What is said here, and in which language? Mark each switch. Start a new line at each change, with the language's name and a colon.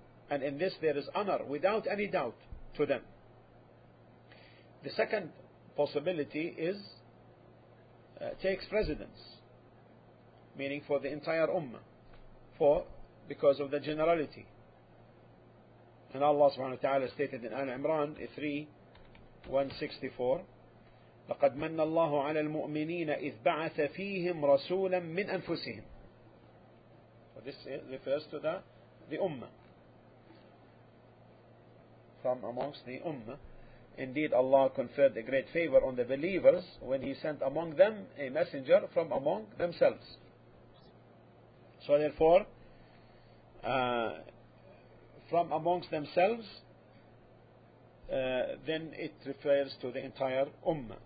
English: And in this there is honor, without any doubt, to them. The second possibility is, takes precedence, meaning for the entire ummah, because of the generality. And Allah subhanahu wa ta'ala stated in Al Imran 3:164,
Arabic: لَقَدْ مَنَّ اللَّهُ عَلَى الْمُؤْمِنِينَ إِذْ بَعَثَ فِيهِمْ رَسُولًا مِّنْ أَنفُسِهِمْ.
English: So this refers to the ummah, from amongst the ummah. Indeed, Allah conferred a great favor on the believers when He sent among them a messenger from among themselves. So therefore, from amongst themselves, then it refers to the entire ummah.